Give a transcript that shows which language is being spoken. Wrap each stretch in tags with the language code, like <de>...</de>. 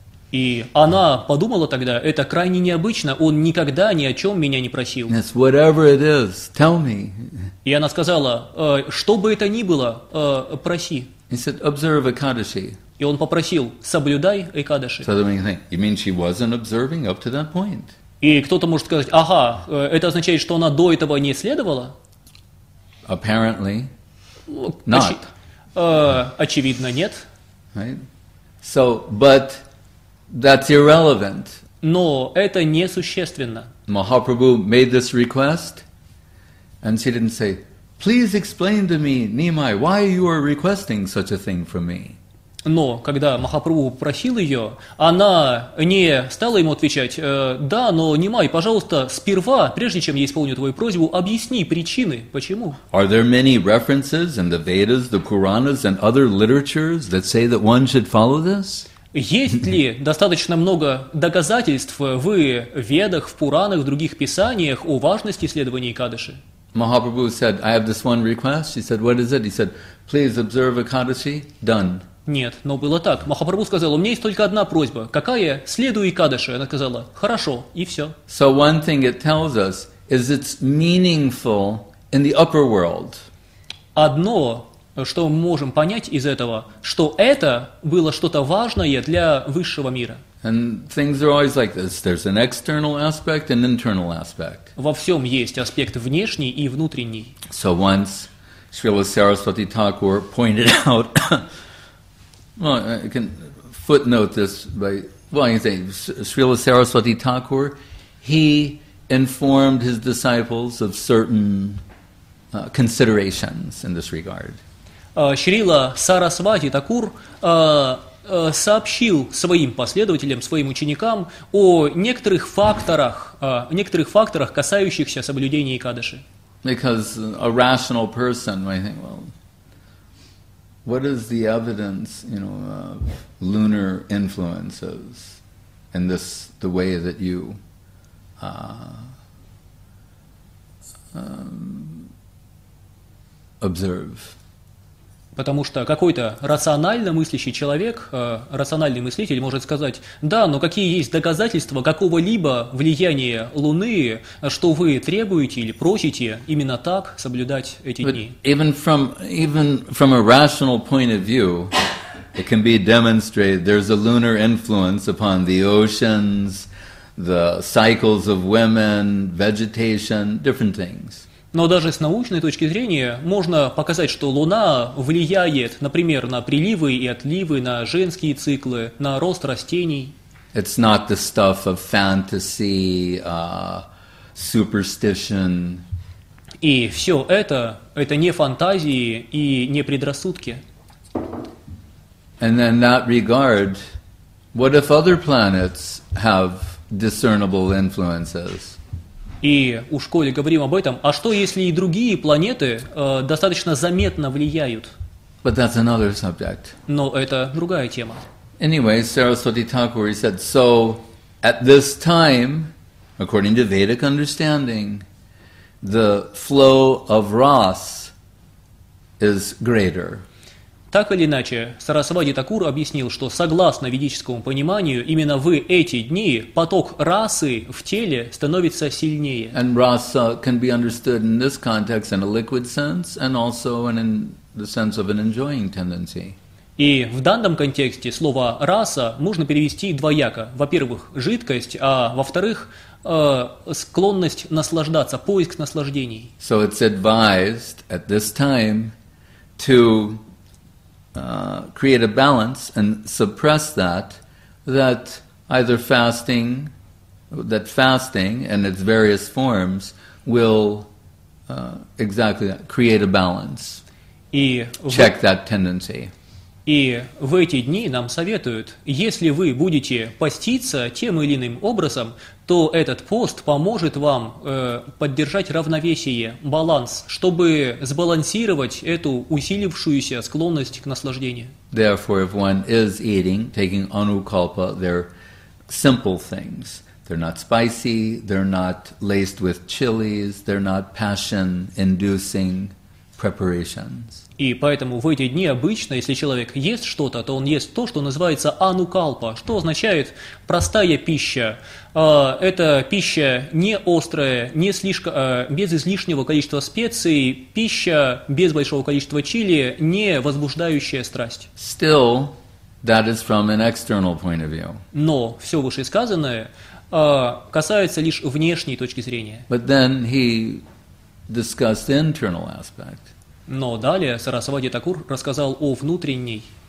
<ru>И она подумала тогда, это крайне необычно, он никогда ни о чем меня не просил.</ru> <en>Yes, whatever it is, tell me.</en> <ru>И она сказала, что бы это ни было, проси.</ru> <en>He said, observe Экадаши.</en> <ru>И он попросил, соблюдай Экадаши.</ru> <en>So then you think, you mean she wasn't observing up to that point?</en> <ru>И кто-то может сказать, ага, это означает, что она до этого не следовала?</ru> <en>Apparently not.</en> <ru>Очевидно, нет.</ru> <en>Right. So, but that's irrelevant.</en> <ru>Но это несущественно.</ru> <en>Mahaprabhu made this request, and she didn't say, please explain to me, Nimai, why you are requesting such a thing from me.</en> <ru>Но когда Махапрабху просил ее, она не стала ему отвечать, да, но Нимай, пожалуйста, сперва, прежде чем я исполню твою просьбу, объясни причины, почему.</ru> <en>Are there many references in the Vedas, the Puranas and other literatures that say that one should follow this?</en> <ru>Есть ли достаточно много доказательств в Ведах, в Пуранах, в других писаниях о важности следования Экадаши?</ru> <en>Махапрабху said, I have this one request. She said, what is it? He said, please observe Экадаши. Done.</en> <ru>Нет, но было так. Махапрабху сказал, у меня есть только одна просьба. Какая? Следуй Экадаши. Она сказала, хорошо, и все.</ru> <en>So one thing it tells us is it's meaningful in the upper world.</en> <ru>Одно, что мы можем понять из этого, что это было что-то важное для высшего мира.</ru> <en>And things are always like this. There's an external aspect and internal aspect.</en> <ru>Во всем есть аспект внешний и внутренний.</ru> <en>So once Srila Saraswati Thakur pointed out... Well, I can footnote this by, well, you say, Srila Saraswati Thakur, he informed his disciples of certain considerations in this regard.</en> <ru>Srila Saraswati Thakur сообщил своим последователям, своим ученикам о некоторых факторах, касающихся соблюдения Экадаши.</ru> <en>Because a rational person might think, well, what is the evidence, you know, of lunar influences in this, the way that you observe?</en> <ru>Потому что какой-то рационально мыслящий человек, рациональный мыслитель может сказать, да, но какие есть доказательства какого-либо влияния Луны, что вы требуете или просите именно так соблюдать эти дни?</ru> <en>Even from a rational point of view, it can be demonstrated there's a lunar influence upon the oceans, the cycles of women, vegetation, different things.</en> <ru>Но даже с научной точки зрения можно показать, что Луна влияет, например, на приливы и отливы, на женские циклы, на рост растений.</ru> <en>It's not the stuff of fantasy, superstition.</en> <ru>И все это не фантазии и не предрассудки.</ru> <en>And in that regard, what if other planets have discernible influences?</en> <ru>И уж коли говорим об этом, а что если и другие планеты достаточно заметно влияют?</ru> <en>But that's another subject.</en> <ru>Но это другая тема.</ru> <en>Anyway, Saraswati Thakur said, so at this time, according to Vedic understanding, the flow of Ras is greater.</en> <ru>Так или иначе, Сарасвати Такур объяснил, что согласно ведическому пониманию, именно в эти дни поток расы в теле становится сильнее.</ru> <en>And rasa can be understood in this context in a liquid sense and also in the sense of an enjoying tendency.</en> <ru>И в данном контексте слово «раса» можно перевести двояко. Во-первых, жидкость, а во-вторых, склонность наслаждаться, поиск наслаждений.</ru> <en>So it's advised at this time to create a balance and suppress that, that either fasting, that fasting and its various forms will exactly that, create a balance, check that tendency.</en> <ru>И в эти дни нам советуют, если вы будете поститься тем или иным образом, то этот пост поможет вам поддержать равновесие, баланс, чтобы сбалансировать эту усилившуюся склонность к наслаждению.</ru> <en>Therefore, if one is eating, taking anukalpa, they're simple things. They're not spicy, they're not laced with chilies, they're not passion-inducing preparations.</en> <ru>И поэтому в эти дни обычно, если человек ест что-то, то он ест то, что называется анукалпа, что означает простая пища. Это пища не острая, не слишком, без излишнего количества специй, пища без большого количества чили, не возбуждающая страсть.</ru> <en>Still, that is from an external point of view.</en> <ru>Но все вышесказанное касается лишь внешней точки зрения.</ru> <en>But then he discussed the internal aspect.</en> <ru>Но далее Сарасвати Такур рассказал о внутренней.</ru>